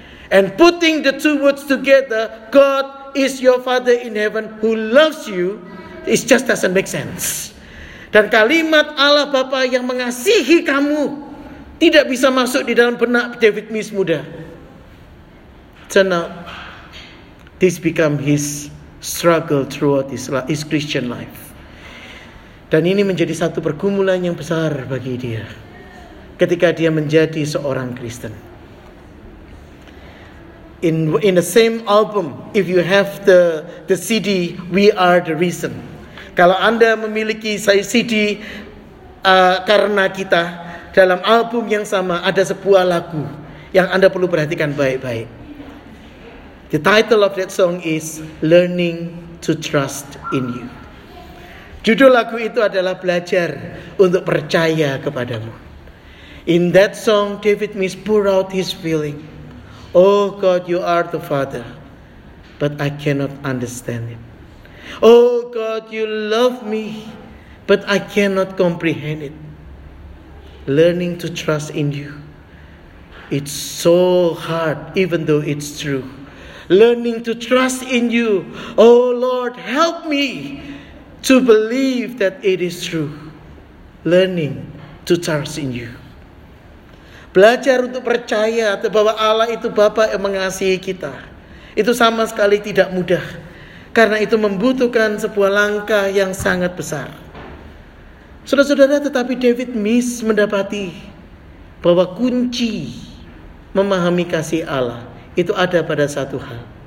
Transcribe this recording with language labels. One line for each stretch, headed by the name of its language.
English: And putting the two words together, God is your Father in heaven who loves you, it just doesn't make sense.
Indonesian: Dan kalimat Allah Bapa yang mengasihi kamu tidak bisa masuk di dalam benak David Mills muda.
English: So now, this become his struggle throughout his Christian life.
Indonesian: Dan ini menjadi satu pergumulan yang besar bagi dia ketika dia menjadi seorang Kristen.
English: In the same album, if you have the CD, We Are The Reason.
Indonesian: Kalau Anda memiliki CD, Karena Kita, dalam album yang sama ada sebuah lagu yang Anda perlu perhatikan baik-baik.
English: The title of that song is Learning to Trust in You.
Indonesian: Judul lagu itu adalah Belajar untuk Percaya Kepadamu.
English: In that song, David Mills pour out his feeling. Oh God, you are the Father, but I cannot understand it. Oh God, you love me, but I cannot comprehend it. Learning to trust in you, it's so hard, even though it's true. Learning to trust in you, oh Lord, help me to believe that it is true. Learning to trust in you.
Indonesian: Belajar untuk percaya bahwa Allah itu Bapa yang mengasihi kita. Itu sama sekali tidak mudah. Karena itu membutuhkan sebuah langkah yang sangat besar. Saudara-saudara, tetapi David Mies mendapati bahwa kunci memahami kasih Allah itu ada pada satu hal.